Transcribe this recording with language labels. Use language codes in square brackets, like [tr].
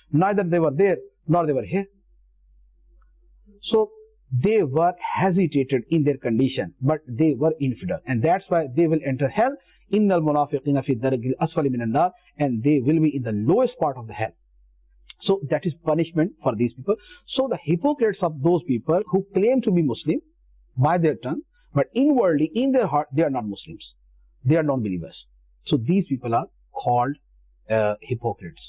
[en] Neither they were there nor they were here. So they were hesitated in their condition, but they were infidel, and that's why they will enter hell. [ar] إن المنافقين في الدرك الأسفل من النار. [en] And they will be in the lowest part of the hell. So that is punishment for these people. So the hypocrites of those people who claim to be Muslim by their tongue, but inwardly in their heart they are not Muslims. They are non-believers. So these people are called hypocrites.